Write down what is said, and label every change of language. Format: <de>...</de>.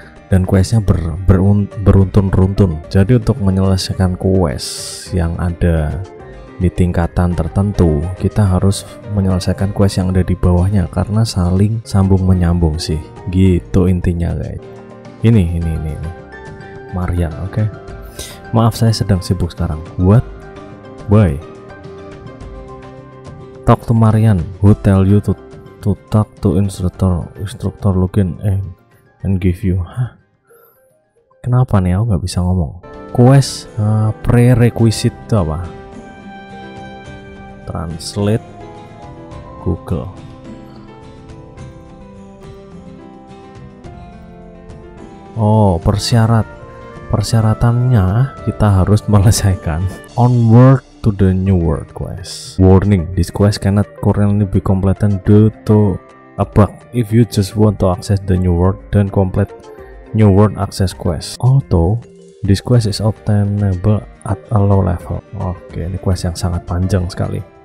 <id>Dan questnya beruntun-runtun. Jadi untuk menyelesaikan quest yang ada di tingkatan tertentu, kita harus menyelesaikan quest yang ada di bawahnya. Karena saling sambung-menyambung sih. Gitu intinya guys. Ini. Marian, oke. Maaf, saya sedang sibuk sekarang.</id> <en>What? Why? Talk to Marian. Who tell you to talk to instructor login and give you?</en> <id>Hah? Kenapa nih aku nggak bisa ngomong? Quest prerequisite itu apa?</id> <en>Translate Google.</en> <id>Oh, persyarat. Persyaratannya kita harus menyelesaikan Onward to the New World quest.</id> <en>Warning, this quest cannot currently be completed due to a bug. If you just want to access the New World, then complete New World access quest. Although this quest is obtainable at a low level.</en> <id>Oke, ini quest yang sangat panjang sekali.</id>